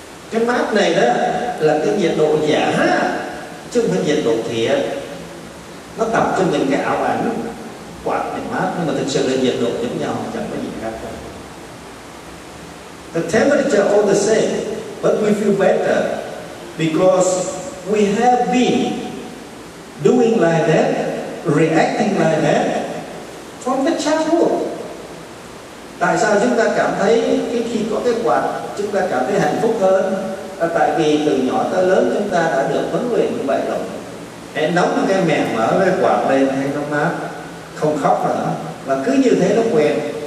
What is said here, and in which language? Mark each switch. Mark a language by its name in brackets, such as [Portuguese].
[Vietnamese] Cái mát này đó là cái nhiệt độ giả chứ không phải nhiệt độ thiệt. Nó tập cho mình cái ảo ảnh quạt để mát, nhưng mà thực sự là nhiệt độ giống nhau, chẳng có gì khác cả. [English] The temperature all the same, but we feel better because we have been doing like that, reacting like that from the childhood. [Vietnamese] Tại sao chúng ta cảm thấy cái khi có cái quạt chúng ta cảm thấy hạnh phúc hơn? Là tại vì từ nhỏ tới lớn chúng ta đã được huấn luyện như vậy rồi. Hãy nóng cái mèn mở cái quạt lên hay nó mát, không khóc nữa, và cứ như thế nó quen.